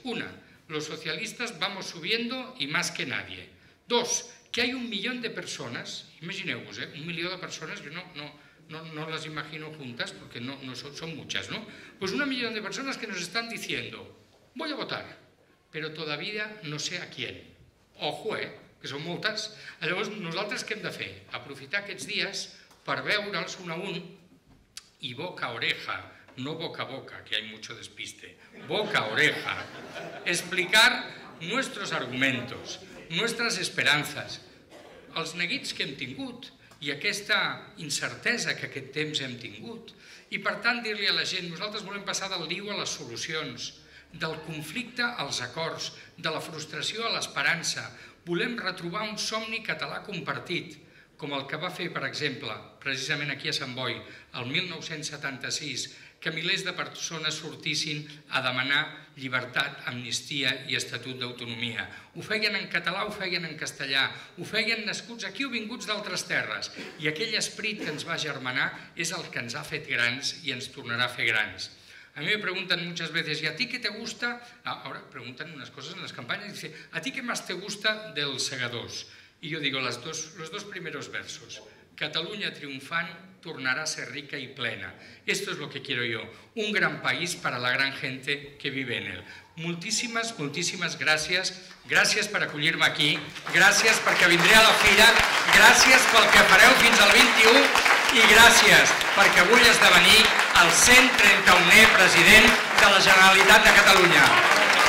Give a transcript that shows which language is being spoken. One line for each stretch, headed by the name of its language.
Spanish: Una, los socialistas vamos subiendo y más que nadie. Dos, que hay un millón de personas,
Catalan: imagineu-vos, un milió de persones,
Spanish: jo no las imagino juntas porque no son muchas, ¿no? Pues un millón de personas que nos están diciendo, voy a votar, pero todavía no sé a quién. Ojo, que son moltes.
Catalan: Llavors, nosaltres què hem de fer? Aprofitar aquests dies per veure'ls un a un i boca a oreja, no boca a boca,
Spanish: que hay mucho despiste, boca a oreja, explicar nuestros argumentos, nuestras esperanzas,
Catalan: els neguits que hem tingut i aquesta incertesa que aquest temps hem tingut. I per tant, dir-li a la gent, nosaltres volem passar del lío a les solucions, del conflicte als acords, de la frustració a l'esperança. Volem retrobar un somni català compartit, com el que va fer, per exemple, precisament aquí a Sant Boi, el 1976, que milers de persones sortissin a demanar llibertat, amnistia i estatut d'autonomia. Ho feien en català, ho feien en castellà, ho feien nascuts aquí o vinguts d'altres terres. I aquell esperit que ens va germanar és el que ens ha fet grans i ens tornarà a fer grans.
Spanish: A mi me pregunten muchas veces, ¿y a ti qué te gusta? Ahora pregunten unas cosas en las campañas, dice, ¿a ti qué más te gusta del Segadors? Y yo digo, los dos primeros versos.
Catalan: Catalunya triunfant tornarà a ser rica i plena.
Spanish: Esto es lo que quiero yo, un gran país para la gran gente que vive en él.
Catalan: Moltíssimes, moltíssimes gràcies. Gràcies per acollir-me aquí, gràcies perquè vindré a la fira, gràcies pel que fareu fins al 21 i gràcies perquè vull esdevenir el 131è president de la Generalitat de Catalunya.